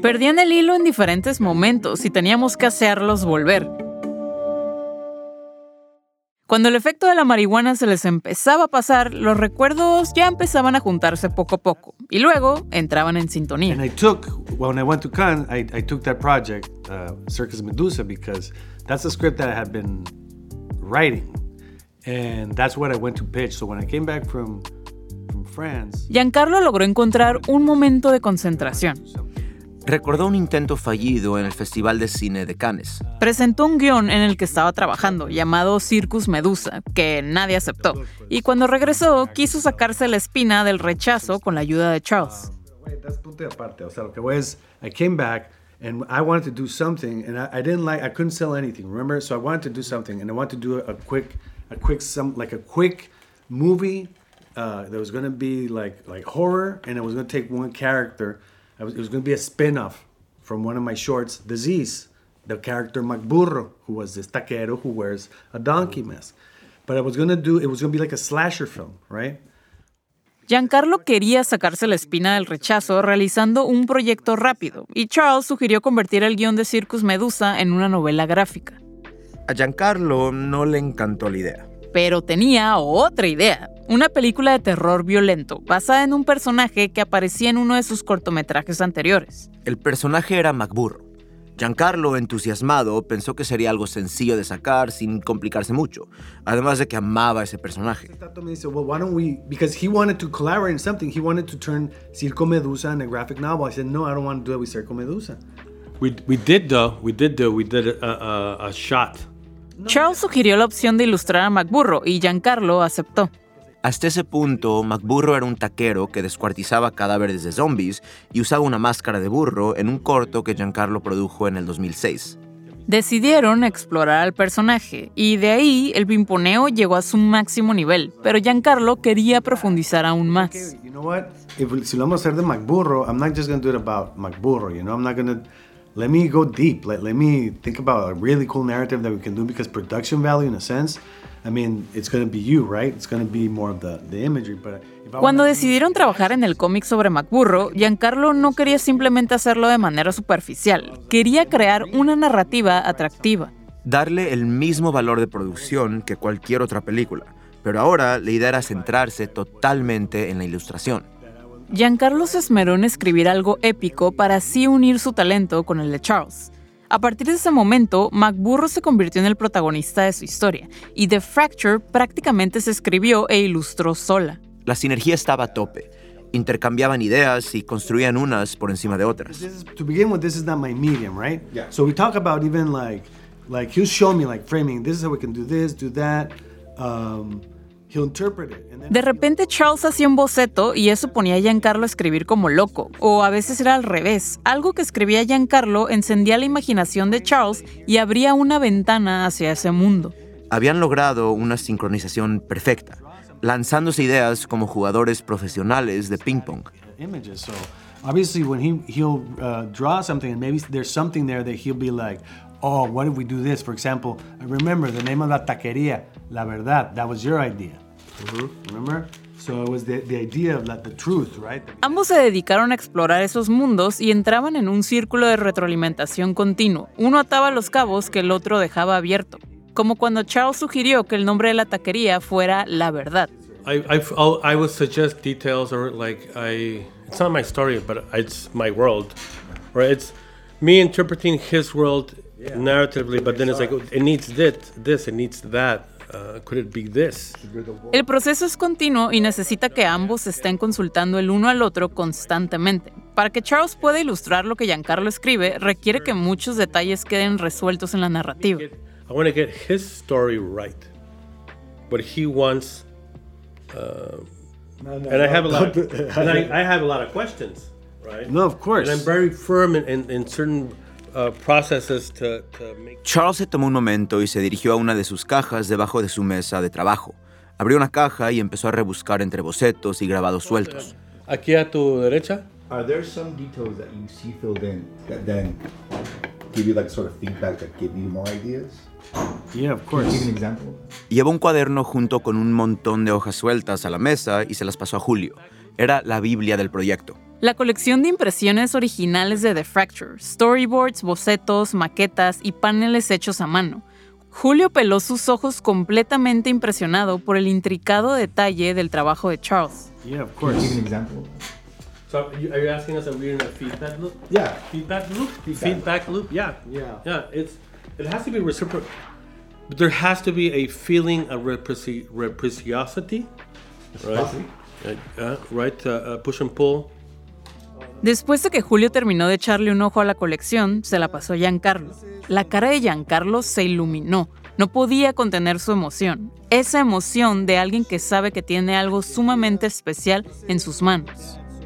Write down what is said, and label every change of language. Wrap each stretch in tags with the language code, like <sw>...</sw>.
<es>Perdían el hilo en diferentes momentos y teníamos que hacerlos volver. Cuando el efecto de la marihuana se les empezaba a pasar, los recuerdos ya empezaban a juntarse poco a poco y luego entraban en sintonía.</es> <en>And I took, when I went to Cannes, I took that project, Circus Medusa, because that's a script that I had been writing. And that's what I went to pitch. So when I came back from France, Giancarlo logró encontrar un momento de concentración. Recordó un intento fallido en el Festival de Cine de Cannes. Presentó un guión en el que estaba trabajando, llamado Circus Medusa, que nadie aceptó. Y cuando regresó, quiso sacarse la espina del rechazo con la ayuda de Charles. That's</en> <es>punto y aparte. O sea, lo que voy es,</es> <en>I came back and I wanted to do something and I didn't like, I couldn't sell anything, remember? So I wanted to do something and I wanted to do a quick movie that was going to be like horror and it was going to take one character. It was going to be a spin-off from one of my shorts, Disease, the character Macburro, who was this taquero who wears a donkey mask. But it was going to be like a slasher film, right?</en> <es>Giancarlo quería sacarse la espina del rechazo realizando un proyecto rápido, y Charles sugirió convertir el guión de Circus Medusa en una novela gráfica. A Giancarlo no le encantó la idea. Pero tenía otra idea. Una película de terror violento, basada en un personaje que aparecía en uno de sus cortometrajes anteriores. El personaje era Macburro. Giancarlo, entusiasmado, pensó que sería algo sencillo de sacar sin complicarse mucho, además de que amaba a ese personaje. Tato me dice,</es> <en>well, why don't we, because he wanted to collaborate in something, he wanted to turn Circo Medusa in a graphic novel. I said, no, I don't want to do it with Circo Medusa. We did a shot.</en> <es>Charles sugirió la opción de ilustrar a Macburro y Giancarlo aceptó. Hasta ese punto, Macburro era un taquero que descuartizaba cadáveres de zombies y usaba una máscara de burro en un corto que Giancarlo produjo en el 2006. Decidieron explorar al personaje y de ahí el pimponeo llegó a su máximo nivel, pero Giancarlo quería profundizar aún más.</es> <en>You know what?</en> <es>Si lo vamos a hacer de Macburro,</es> <en>I'm not just going to do it about Macburro, you know? I'm not going to let me go deep. Let me think about a really cool narrative that we can do because production value in a sense. I mean, it's going to be you, right? It's going to be more of the imagery. But</en> <es>cuando decidieron trabajar en el cómic sobre Macburro, Giancarlo no quería simplemente hacerlo de manera superficial. Quería crear una narrativa atractiva. Darle el mismo valor de producción que cualquier otra película. Pero ahora la idea era centrarse totalmente en la ilustración. Giancarlo se esmeró en escribir algo épico para así unir su talento con el de Charles. A partir de ese momento, Macburro se convirtió en el protagonista de su historia y The Fracture prácticamente se escribió e ilustró sola. La sinergia estaba a tope. Intercambiaban ideas y construían unas por encima de otras.</es> <en>To begin with, this is not my medium, right? Yeah. So we talk about even like he'll show me like framing. This is how we can do this, do that. He'll interpret it.</en> <es>De repente, Charles hacía un boceto y eso ponía a Giancarlo a escribir como loco. O a veces era al revés. Algo que escribía Giancarlo encendía la imaginación de Charles y abría una ventana hacia ese mundo. Habían logrado una sincronización perfecta, lanzándose ideas como jugadores profesionales de ping-pong.</es> <en>So, obviously, when he'll draw something, and maybe there's something there that he'll be like, oh, what if we do this? For example, I remember the name of</en> <es>la taquería,</es> <en>La Verdad, that was your idea. Mm-hmm. Remember? So it was the idea of the truth, right?</en> <es>Ambos se dedicaron a explorar esos mundos y entraban en un círculo de retroalimentación continuo. Uno ataba los cabos que el otro dejaba abierto. Como cuando Charles sugirió que el nombre de la taquería fuera La Verdad.</es> <en>I would suggest details or it's not my story, but it's my world. Or it's me interpreting his world narratively, but then it's like, it needs this, it needs that. Could it be this?</en> <es>El proceso es continuo y necesita que ambos estén consultando el uno al otro constantemente. Para que Charles pueda ilustrar lo que Giancarlo escribe, requiere que muchos detalles queden resueltos en la narrativa.</es> <en>I want to get his story right. What he wants. I have a lot of questions, right? No, of course. And I'm very firm in certain processes to make.</en> <es>Charles se tomó un momento y se dirigió a una de sus cajas debajo de su mesa de trabajo. Abrió una caja y empezó a rebuscar entre bocetos y grabados sueltos. Aquí a tu derecha.</es> <en>Are there some details that you see filled in that then give you like sort of feedback that give you more ideas? Yeah, of course. Can you give an example?</en> <es>Llevó un cuaderno junto con un montón de hojas sueltas a la mesa y se las pasó a Julio. Era la Biblia del proyecto. La colección de impresiones originales de The Fracture, storyboards, bocetos, maquetas y paneles hechos a mano. Julio peló sus ojos completamente impresionado por el intricado detalle del trabajo de Charles.</es> <en>Yeah, of course. Give an example. So, are you asking us if we're in a feedback loop? Yeah. Feedback loop? Feedback loop? Yeah. Yeah. Yeah. It has to be reciprocal. But there has to be a feeling of reciprocity. Right? Push and pull.</en> <es>Después de que Julio terminó de echarle un ojo a la colección, se la pasó a Giancarlo. La cara de Giancarlo se iluminó. No podía contener su emoción. Esa emoción de alguien que sabe que tiene algo sumamente especial en sus manos.</es>